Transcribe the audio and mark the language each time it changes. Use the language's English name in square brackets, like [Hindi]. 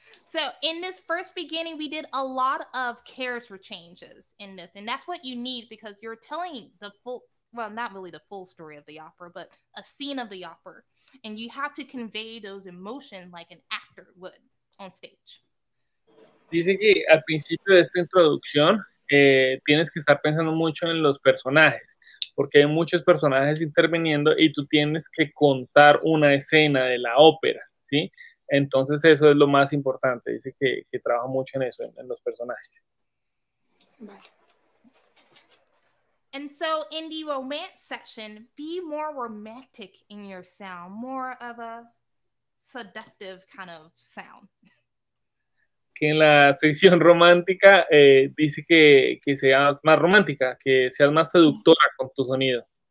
[English] So in this first beginning, we did a lot of character changes in this, and that's what you need because you're telling the full, well, not really the full story of the opera, but a scene of the opera, and you have to convey those emotions like an actor would on stage. [Spanish] Dice que al principio de esta introducción tienes que estar pensando mucho en los personajes, porque hay muchos personajes interviniendo y tú tienes que contar una escena de la ópera, ¿sí? Entonces eso es lo más importante, dice que trabaja mucho en eso, en los personajes. Vale. [English] And so in the romance section, be more romantic in your sound, more of a seductive kind of sound. [Spanish] Que en la sección romántica dice que seas más romántica, que seas más seductora con tu sonido.